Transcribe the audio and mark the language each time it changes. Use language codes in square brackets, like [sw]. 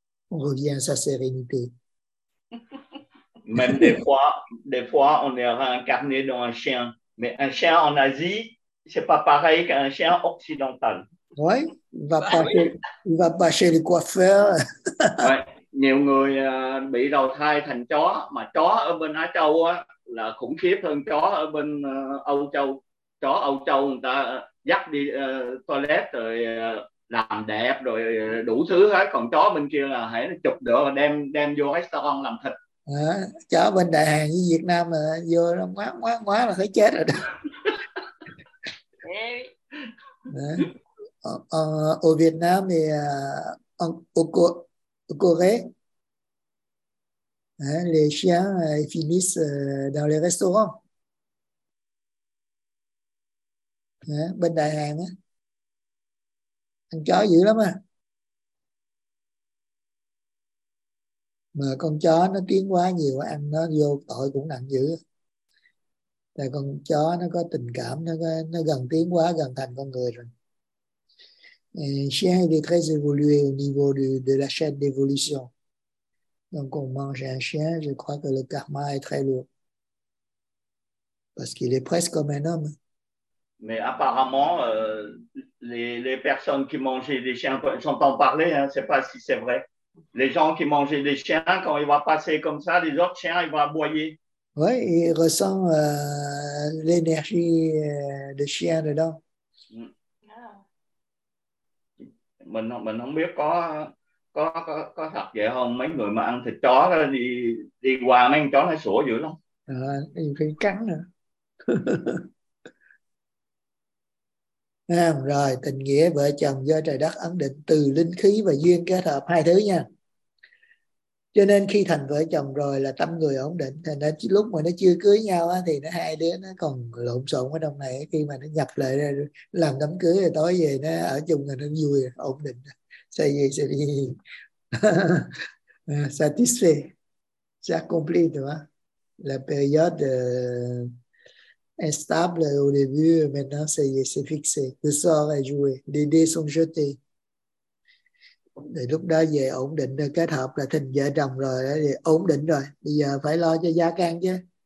[fr] On revient à sa sérénité. Même des fois, on est réincarné dans un chien. Mais un chien en Asie, ce n'est pas pareil qu'un chien occidental. Ouais, il va pas chez le coiffeur. [vi] Ouais, nhiều người bị đầu thai thành chó, mà chó ở bên Á Châu á là khủng khiếp hơn chó ở bên Âu Châu. Chó Âu Châu người ta dắt đi toilet rồi làm đẹp rồi đủ thứ hết, còn chó bên kia là hãy chụp được đem vô restaurant làm thịt. À, chó bên Đài Hàn với Việt Nam mà vô nó ngoá là thấy chết rồi đó. Au Vietnam et au Corée, hein, les chiens finissent dans les restaurants. Hein, bên Đài Hàn á, ăn chó dữ lắm à. Mà con chó nó tiến quá nhiều, ăn nó vô tội cũng nặng dữ. Tại con chó nó có tình cảm, nó gần tiến quá, gần thành con người rồi. [fr] Un chien est très évolué au niveau de la chaîne d'évolution. Donc, on mange un chien, je crois que le karma est très lourd. Parce qu'il est presque comme un homme. Mais apparemment, les personnes qui mangeaient des chiens, j'entends parler, hein, c'est pas si c'est vrai. Les gens qui mangeaient des chiens, quand ils vont passer comme ça, les autres chiens, ils vont aboyer. Oui, ils ressentent l'énergie de chien dedans. [vi] Mình không biết có thật vậy không, mấy người mà ăn thịt chó đi qua mấy con chó nó sủa dữ lắm. Nhiều khi cắn nữa. À, rồi tình nghĩa vợ chồng do trời đất ấn định từ linh khí và duyên kết hợp hai thứ nha. Cho nên khi thành vợ chồng rồi là tâm người ổn định, thì nó lúc mà nó chưa cưới nhau á, thì nó hai đứa nó còn lộn xộn ở trong này, khi mà nó nhập lại làm đám cưới rồi tối về nó ở chung là nó vui ổn định, say gì say đi, [fr] satisfait, c'est accompli, tu vois? La période instable au début, maintenant ça y est, c'est fixé, le sort est joué, les dés sont jetés. [vi] Để lúc đó về ổn định rồi, kết hợp là thành vợ chồng rồi, thì ổn định rồi. Bây giờ phải lo cho gia can chứ.